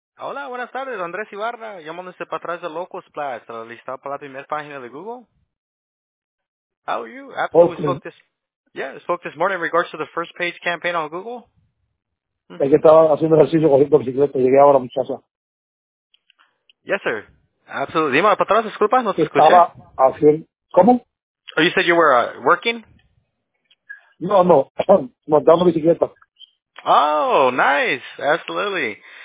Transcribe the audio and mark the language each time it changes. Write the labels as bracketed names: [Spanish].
[Spanish] Hola, buenas tardes, Andrés Ibarra, llamándose para atrás de Locos Plus, listado para la primera página de Google. [English] How are you? Okay. We spoke this morning in regards to the first page campaign on Google. [Spanish] Es que estaba haciendo ejercicio corriendo bicicleta, llegué ahora, muchacha. [English] Yes, sir. Absolutely. [Spanish] Dime, para atrás, disculpa, no te escuché. Estaba haciendo. ¿Cómo? [English] Oh, you said you were working? [Spanish] No, no, montando bicicleta. [English] Oh, nice, absolutely.